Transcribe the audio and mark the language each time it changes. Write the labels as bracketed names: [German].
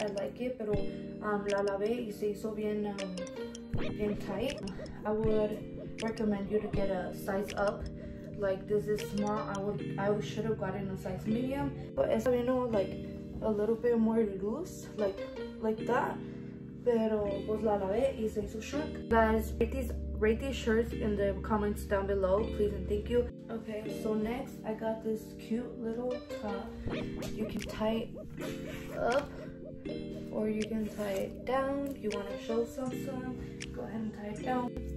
[English] I like it, [Spanish] pero la lavé y se hizo bien, bien tight. [English] I would recommend you to get a size up. Like, this is small. I should have gotten a size medium, but it's, you know, like a little bit more loose, like that. [Spanish] Pero pues la lavé y se hizo short. [English] Guys, rate these shirts in the comments down below, please and thank you. Okay, so next I got this cute little top. You can tie it up or you can tie it down. You want to show some, go ahead and tie it down.